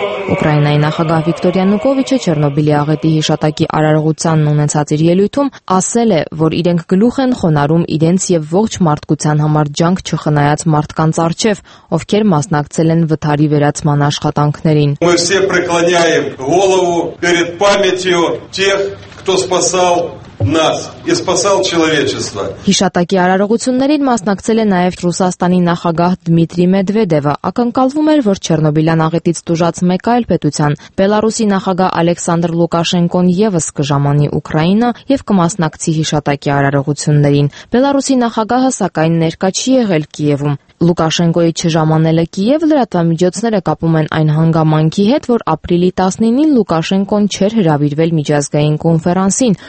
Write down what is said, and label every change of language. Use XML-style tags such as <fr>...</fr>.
<hy>Ուկրաինայի նախագահ Վիկտոր Յանուկովիչը Չեռնոբիլի աղետի հիշատակի արարողությանն ունեցած իր ելույթում ասել է, որ իրենք գլուխ են խոնարում իրենց եւ ողջ մարդկության համար ջանք չխնայած մարդկանց առջև, ովքեր մասնակցել են վթարի վերացման աշխատանքներին։</hy> <ru>Мы все преклоняем голову перед памятью тех, кто спасал нас и спасал человечество.</ru> <hy>Հիշատակի արարողություններին մասնակցել է նաև Ռուսաստանի նախագահ Դմիտրի Մեդվեդևը։ Ակնկալվում էր, որ Չեռնոբիլյան աղետից տուժած մեկ այլ պետության, Բելարուսի նախագահ Ալեքսանդր Լուկաշենկոն ևս կժամանի Ուկրաինա և կմասնակցի հիշատակի արարողություններին։ Բելարուսի նախագահը սակայն ներկա չի եղել Կիևում։ Լուկաշենկոյի չժամանելը Կիև լրատվամիջոցները կապում են այն հանգամանքի հետ, որ ապրիլի 19-ին Լուկաշենկոն չէր հրավիրվել միջազգային կոնֆերանսին,</hy>